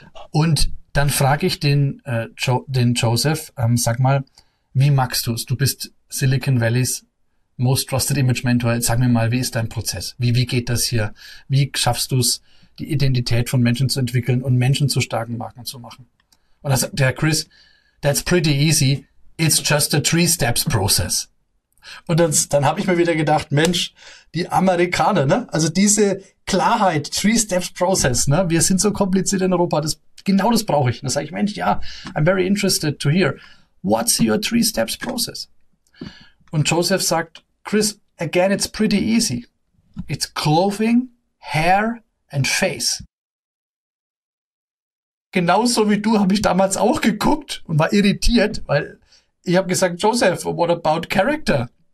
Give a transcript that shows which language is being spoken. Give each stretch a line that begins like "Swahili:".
German: Und dann frage ich den Joseph, sag mal, wie magst du es? Du bist Silicon Valleys Most Trusted Image Mentor. Jetzt sag mir mal, wie ist dein Prozess? Wie geht das hier? Wie schaffst du es, die Identität von Menschen zu entwickeln und Menschen zu starken Marken zu machen? Und da sagt der Chris, that's pretty easy.
English: It's just a 3-Steps-Process.
German: Und dann habe ich mir wieder gedacht, Mensch, die Amerikaner, ne? Also diese Klarheit, 3-Steps-Process, ne? Wir sind so kompliziert in Europa, genau das brauche ich. Und dann sage ich, Mensch, ja, I'm very interested to hear.
English: What's your 3-Steps-Process? Und Joseph sagt, Chris, again, it's pretty easy. It's clothing, hair and face.
German: Genauso wie du habe ich damals auch geguckt und war irritiert, weil ich habe gesagt, Joseph, what about character?